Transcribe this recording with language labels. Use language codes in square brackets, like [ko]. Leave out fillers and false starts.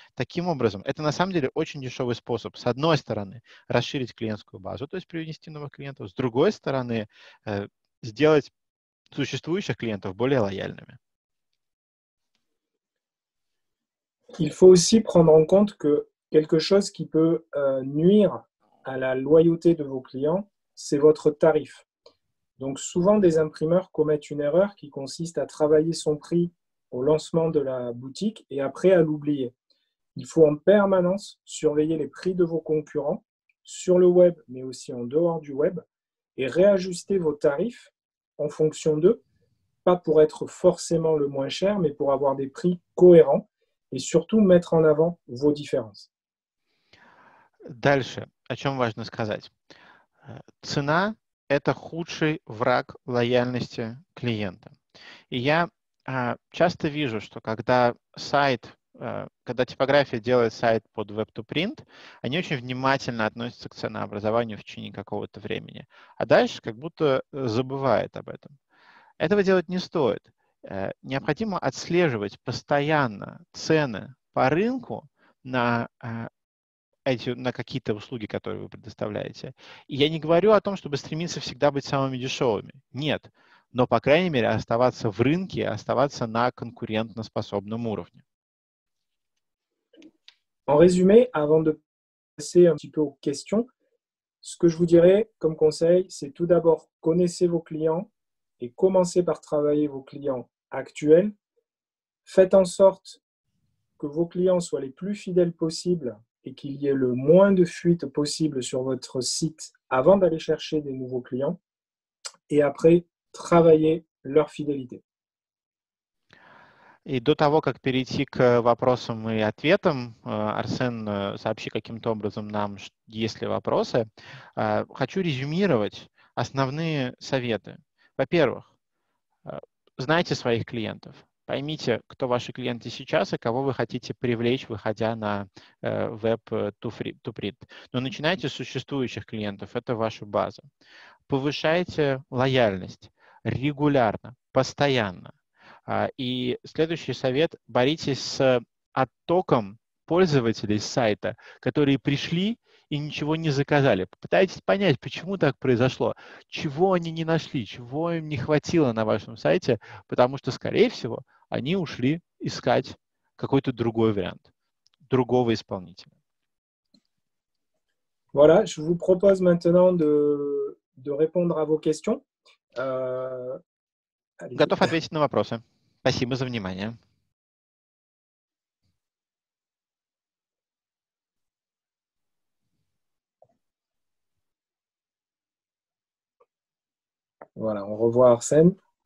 [ru] Таким образом, это на самом деле очень дешевый способ. С одной стороны, расширить клиентскую базу, то есть привнести новых клиентов. С другой стороны, сделать существующих клиентов более лояльными. [fr] Il faut aussi prendre en compte que quelque chose qui peut nuire à la loyauté de vos clients, c'est votre tarif. Donc souvent, des imprimeurs commettent une erreur qui consiste à travailler son prix au lancement de la boutique et après à l'oublier. Il faut en permanence surveiller les prix de vos concurrents sur le web, mais aussi en dehors du web, et réajuster vos tarifs en fonction d'eux, pas pour être forcément le moins cher, mais pour avoir des prix cohérents et surtout mettre en avant vos différences. [ru] Дальше, о чем важно сказать. Цена – это худший враг лояльности клиента. И я часто вижу, что когда сайт, когда типография делает сайт под web-to-print, они очень внимательно относятся к ценообразованию в течение какого-то времени. А дальше как будто забывают об этом. Этого делать не стоит. Необходимо отслеживать постоянно цены по рынку на какие-то услуги, которые вы предоставляете. И я не говорю о том, чтобы стремиться всегда быть самыми дешевыми. Нет. Но, по крайней мере, оставаться в рынке, оставаться на конкурентоспособном уровне. [fr] En résumé, avant de passer un petit peu aux questions, ce que je vous dirais comme conseil, c'est tout d'abord connaissez vos clients et commencez par travailler vos clients actuels. Faites en sorte que vos clients soient les plus fidèles possibles et qu'il y ait le moins de fuites possible sur votre site avant d'aller chercher des nouveaux clients. Et après, travailler leur fidélité. [ru] И до того, как перейти к вопросам и ответам, Арсен, сообщи каким-то образом нам, есть ли вопросы, хочу резюмировать основные советы. Во-первых, знайте своих клиентов. Поймите, кто ваши клиенты сейчас и кого вы хотите привлечь, выходя на web-to-print. Но начинайте с существующих клиентов, это ваша база. Повышайте лояльность регулярно, постоянно. И следующий совет – боритесь с оттоком пользователей сайта, которые пришли и ничего не заказали. Попытайтесь понять, почему так произошло, чего они не нашли, чего им не хватило на вашем сайте, потому что, скорее всего, они ушли искать какой-то другой вариант, другого исполнителя. [fr] Voilà, je vous propose maintenant de répondre à vos questions. [ru] Готов ответить на вопросы. Спасибо за внимание. [fr] Voilà, on revoit Arsène.